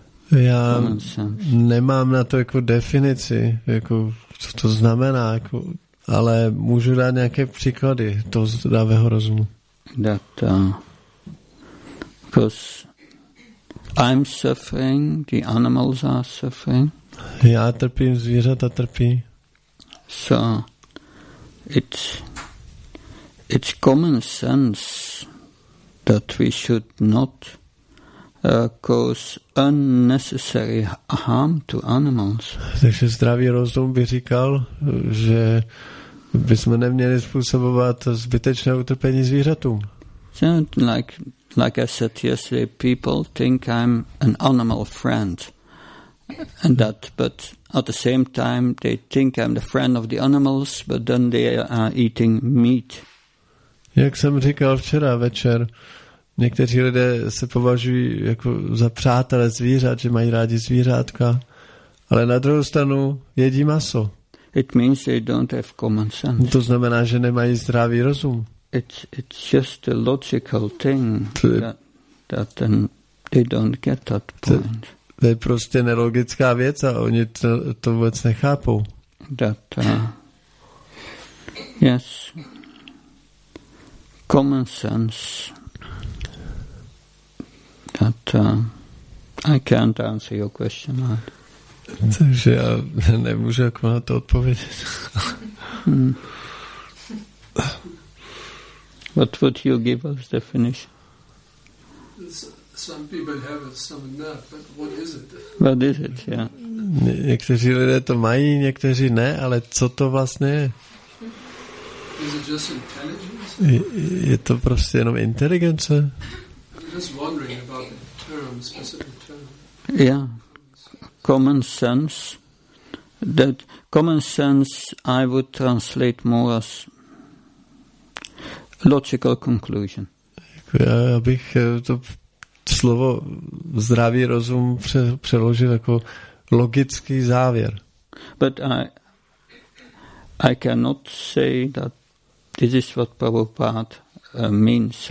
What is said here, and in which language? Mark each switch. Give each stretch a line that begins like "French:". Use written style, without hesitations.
Czech: Já nemám na to jako definici, jako co to znamená, jako, ale můžu dát nějaké příklady toho zdravého rozumu.
English: That, because I'm suffering, the animals are suffering.
Czech: Já trpím, zvířata trpí.
English: So it's common sense that we should not cause unnecessary harm to animals.
Czech: Takže zdravý rozum by říkal, že bychom neměli způsobovat zbytečné utrpení zvířatům.
English: So, like I said yesterday, people think I'm an animal friend. And that, but at the same time, they think I'm the friend of the animals, but then they are eating meat.
Czech: Jak jsem říkal včera večer, někteří lidé se považují jako za přátelé zvířat, že mají rádi zvířátka, ale na druhou stranu jedí maso.
English: It means they don't have common sense.
Czech: To znamená, že nemají zdravý rozum.
English: It's just a logical thing that they don't get that point.
Czech: To je prostě nelogická věc a oni to vůbec nechápou.
English: That, yes. Common sense. That, I can't answer your question.
Czech: Takže já nemůžu jako na to odpovědět.
English: What would you give us definition? Some people have it, some not, but what is it? What is it, yeah.
Czech: Někteří lidé to mají, někteří ne, ale co to vlastně je?
English: Is it just intelligence?
Czech: Je to prostě jenom inteligence?
English: I'm just wondering about the term, specific term. Yeah, common sense. That common sense I would translate more as logical conclusion.
Czech: Já bych to slovo zdravý rozum přeložil jako logický závěr.
English: But I cannot say that this is what Prabhupada means.